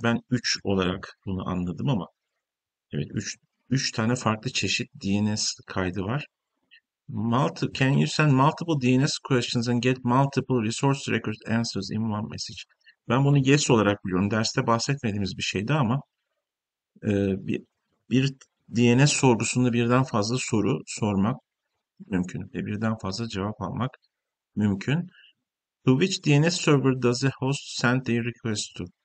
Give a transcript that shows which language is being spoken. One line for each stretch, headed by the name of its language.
Turkish: Ben 3 olarak bunu anladım ama evet 3 tane farklı çeşit DNS kaydı var.
English: Can you send multiple DNS questions and get multiple resource record answers in one message?
Turkish: Ben bunu yes olarak biliyorum. Derste bahsetmediğimiz bir şeydi ama bir DNS sorgusunda birden fazla soru sormak mümkün ve birden fazla cevap almak mümkün.
English: To which DNS server does a host send their request to?